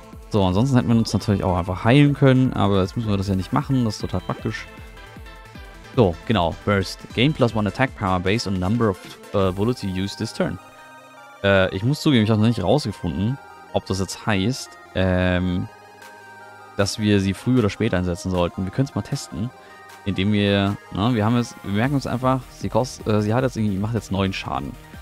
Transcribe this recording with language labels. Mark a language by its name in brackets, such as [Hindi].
[German] So, ansonsten hätten wir uns natürlich auch einfach heilen können, aber jetzt müssen wir das ja nicht machen. Das ist total praktisch. So, genau. Burst. [English] Gain plus one attack power based on number of bullets you use this turn. [German] Ich muss zugeben, ich habe noch nicht rausgefunden, ob das jetzt heißt, dass wir sie früher oder später einsetzen sollten. Wir können es mal testen, indem wir, ne, wir haben jetzt, wir merken uns einfach, sie kostet, sie hat jetzt irgendwie, macht jetzt 9 Schaden.